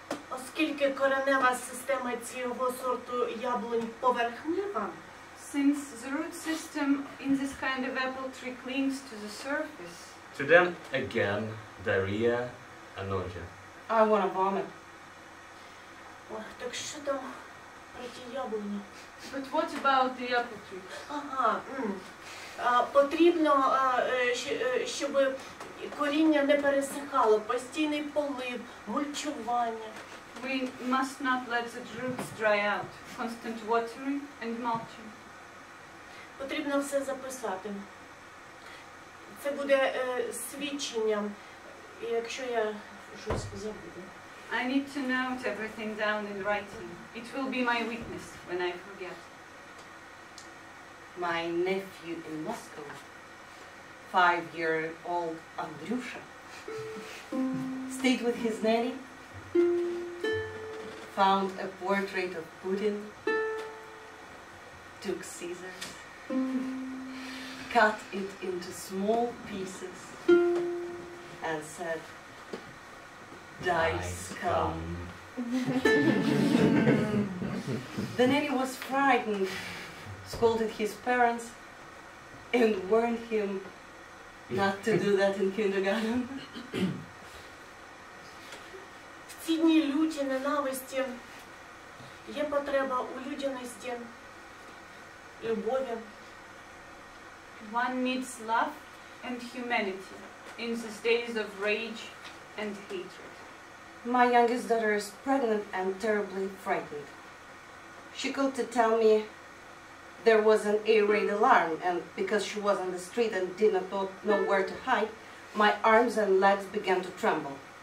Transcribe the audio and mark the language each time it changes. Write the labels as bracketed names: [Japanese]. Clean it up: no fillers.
[Ukrainian] Оскільки коренева система цього сорту яблунь поверхнева, [English] since the root system in this kind of apple tree clings to the surface. To them, again, diarrhea and nausea. I want to vomit. [Ukrainian] Так що там Про ті яблуні. [English] But what about the apple tree? Ага. [Ukrainian] Потрібно, щоб коріння не пересихало, постійний полив, мульчування. [English] We must not let the roots dry out. Constant watering and mulching. [Ukrainian] Потрібно все записати. Це буде свідченням, якщо я щось забуду. [English] I need to note everything down in writing. It will be my witness when I forget. My nephew in Moscow, 5-year-old Andrusha, stayed with his nanny, found a portrait of Putin, took scissors, cut it into small pieces, and said, Dice come. The nanny was frightened, scolded his parents, and warned him not to do that in kindergarten. [Ukrainian] В ці дні люті ненависті є потреба у людяності, любові. [English] One needs love and humanity in these days of rage and hatred. My youngest daughter is pregnant and terribly frightened. She called to tell me there was an air raid alarm, and because she was on the street and didn't know where to hide, my arms and legs began to tremble.